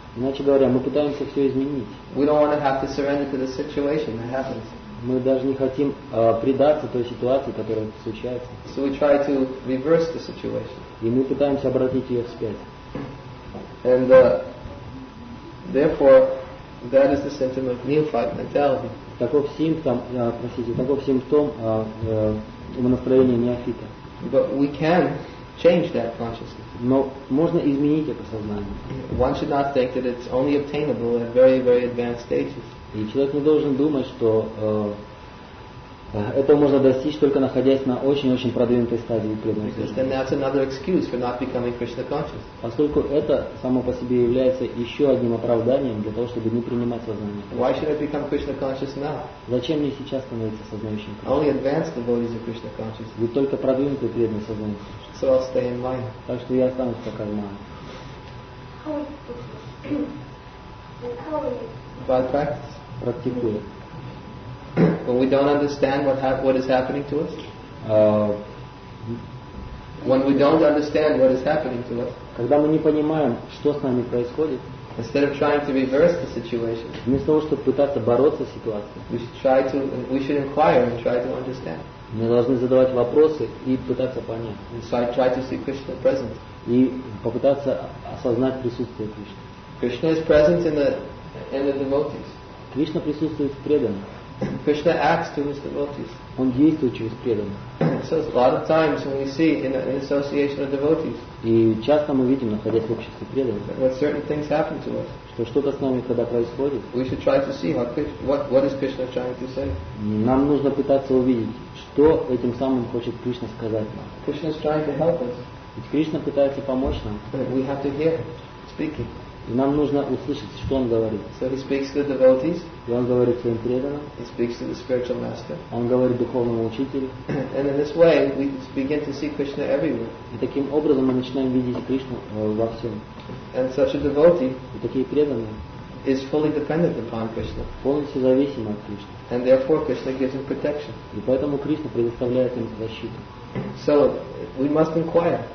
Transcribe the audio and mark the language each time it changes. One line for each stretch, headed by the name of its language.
Russian: Иначе говоря, мы пытаемся все изменить.
English: We don't want to have to surrender to the situation that happens.
Russian: Мы даже не хотим предаться той ситуации, которая случается.
English: So we try to reverse the situation.
Russian: И мы пытаемся обратить ее вспять.
English: And therefore, that is the symptom of neophyte mentality.
Russian: Таков симптом, простите, таков симптом умонастроения неофита.
English: But we can change that consciousness.
Russian: Но можно изменить это сознание.
English: One should not think that it's only obtainable at very, very advanced stages.
Russian: И человек не должен думать, что этого можно достичь, только находясь на очень-очень продвинутой стадии преданности.
English: Because then that's another excuse for not becoming Krishna conscious.
Russian: Поскольку это само по себе является еще одним оправданием для того, чтобы не принимать сознание.
English: Why should I become Krishna conscious now?
Russian: Зачем мне сейчас становиться сознающим?
English: Only advanced devotees are Krishna conscious.
Russian: Ведь только продвинутые преданные сознание.
English: So I'll stay in mind.
Russian: Так что я останусь в такой мане.
English: By practice.
Russian: Практикуя.
English: When we don't understand what is happening to us, when we don't understand what is happening to us,
Russian: когда мы не понимаем, что с нами происходит,
English: instead of trying to reverse the situation,
Russian: вместо того, чтобы пытаться бороться с ситуацией,
English: we should inquire and try to understand.
Russian: Мы должны задавать вопросы и пытаться понять.
English: And so I try to see Krishna present.
Russian: И попытаться осознать присутствие Кришны.
English: Krishna is present in the devotees.
Russian: Кришна присутствует в преданных.
English: Krishna acts to his devotees.
Russian: Он действует через преданных.
English: So a lot of times when we see in an association of devotees.
Russian: И часто мы видим, находясь в обществе преданных.
English: When certain things happen to us.
Russian: Что что-то с нами когда происходит.
English: We should try to see what is Krishna trying to say.
Russian: Нам нужно пытаться увидеть, что этим самым хочет Кришна сказать нам.
English: Krishna is trying to help us.
Russian: Ведь Кришна пытается помочь нам.
English: We have to hear him speaking.
Russian: И нам нужно услышать, что он говорит.
English: So he speaks to the devotees.
Russian: И он говорит своим преданным.
English: He speaks to the spiritual master.
Russian: Он говорит духовному учителю.
English: And in this way, we begin to see Krishna everywhere.
Russian: И таким образом мы начинаем видеть Кришну во всем.
English: And such a devotee.
Russian: И такие преданные.
English: Is fully dependent upon Krishna.
Russian: Полностью зависим от Кришны.
English: And therefore, Krishna gives him protection.
Russian: И поэтому Кришна предоставляет им защиту.
English: So we must inquire.